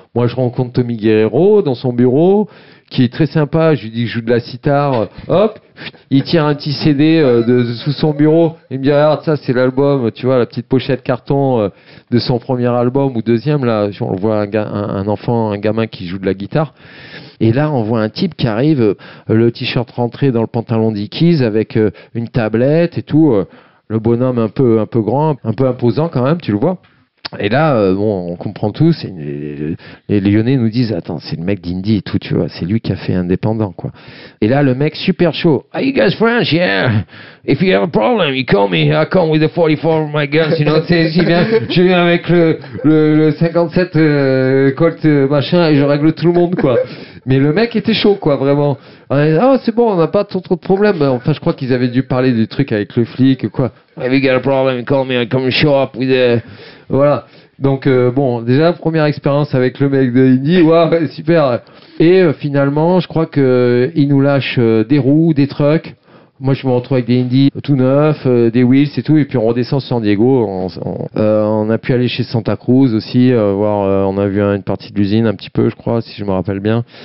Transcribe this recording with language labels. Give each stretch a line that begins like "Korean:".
French: Moi, je rencontre Tommy Guerrero dans son bureau, qui est très sympa, je lui dis que je joue de la sitar, hop, il tire un petit CD de sous son bureau, il me dit, regarde, ça c'est l'album, tu vois, la petite pochette carton de son premier album ou deuxième, là, on voit un gamin qui joue de la guitare, et là on voit un type qui arrive, le t-shirt rentré dans le pantalon Dickies avec une tablette et tout, le bonhomme un peu grand, un peu imposant quand même, tu le vois. Et là, bon, on comprend tout. Les Lyonnais nous disent, attends, c'est le mec d'Indy et tout, tu vois. C'est lui qui a fait Indépendant, quoi. Et là, le mec, super chaud.
English: Are you guys French? Yeah. If you have a problem, you call me. I come with the 44 of my guns, you know.
French: Je viens avec le 57 Colt machin et je règle tout le monde, quoi. Mais le mec était chaud, quoi, vraiment. Ah, oh, c'est bon, on n'a pas trop de problèmes. Enfin, je crois qu'ils avaient dû parler du truc avec le flic, quoi.
English: If you got a problem, call me. I come show up with the...
French: Voilà, donc bon, déjà première expérience avec le mec de Indy, waouh, super. Et finalement, je crois qu'il nous lâche des roues, des trucks. Moi, je me retrouve avec des Indy tout neufs, des wheels et tout. Et puis, on redescend sur San Diego. On a pu aller chez Santa Cruz aussi, on a vu une partie de l'usine un petit peu, je crois, si je me rappelle bien.